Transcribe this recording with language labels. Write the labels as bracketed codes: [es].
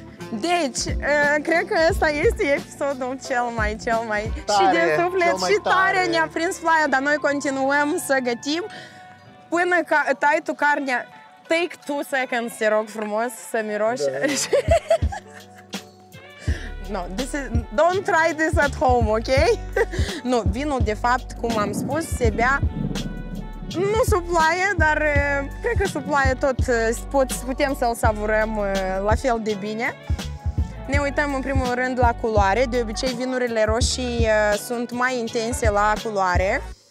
[ro] Deci, cred că ăsta este episodul cel mai... Tare, și de suflet și tare ne-a prins ploaia, dar noi continuăm să gătim. Până ca, tai tu carnea, [en] take 2 seconds, [ro] te rog frumos, să miroși. Da. [en] No, this is, don't try this at home, ok? [ro] Nu, vinul, de fapt, cum am spus, se bea, nu suplaie, dar cred că suplaie tot, putem să-l savurăm la fel de bine. Ne uităm în primul rând la culoare, de obicei vinurile roșii sunt mai intense la culoare.